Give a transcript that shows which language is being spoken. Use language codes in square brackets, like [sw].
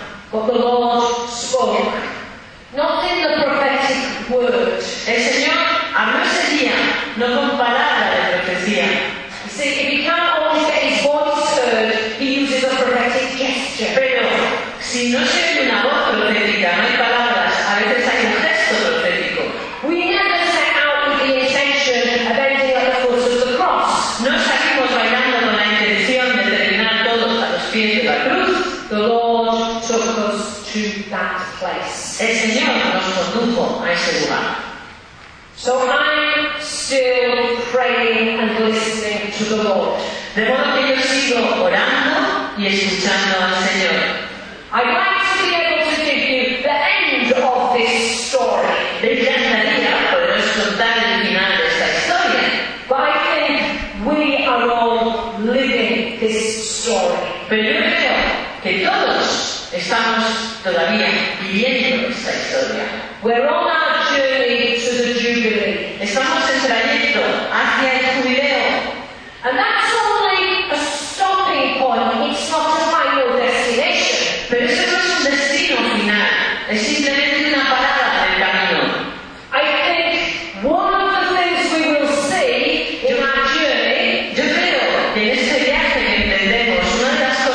[en] But the Lord spoke, not in the prophetic word. [es] El Señor habló ese día, no con palabra de profecía. [en] You see, if he can't always get his voice heard, he uses a prophetic gesture. [es] Pero si no se oye una voz profética, no hay palabras, a veces hay un gesto profético. [en] We never set out with the intention of ending at the foot of the cross. [es] No salimos bailando con la intención de terminar todos a los pies de la cruz. [en] The Lord took us to that place. [es] El Señor nos condujo a ese lugar. [en] So I'm still praying and listening to the Lord. [es] De modo que yo sigo orando y escuchando al Señor. [en] I'd like to be able to give you the end of this story. [es] Me encantaría poderos contar el final de esta historia. [en] But I think we are all living this story. [es] Pero yo creo que todos estamos todavía viviendo esta historia. [en] We're on our journey to the Jubilee. [es] Estamos en trayecto hacia el jubileo. [en] And that's only a stopping point. It's not a final destination. [es] Pero eso no es un destino final. Es simplemente una parada en el camino. [en] I think one of the things we will see in our journey. [es] Yo creo que en este viaje que emprendemos, una de las